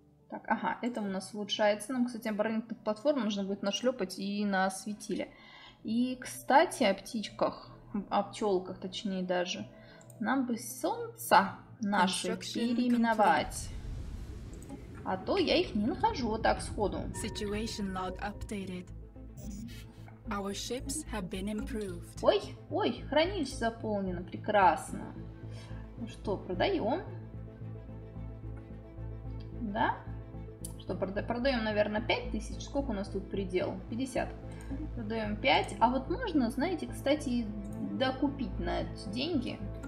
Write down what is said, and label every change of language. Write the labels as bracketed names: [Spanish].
[Russian] Так, ага, это у нас улучшается. Нам, кстати, оборонительных платформ нужно будет нашлепать и на светиле. И, кстати, о птичках, о пчелках, точнее даже, нам бы солнца наши переименовать. А то я их не нахожу вот так сходу. [English] Situation log updated. Our ships have been improved. [Russian] Ой, ой, хранилище заполнено, прекрасно. Ну что, продаем? Да? Что, продаем, наверное, 5000? Сколько у нас тут предел? 50. Продаем 5. А вот можно, знаете, кстати, докупить на эти деньги.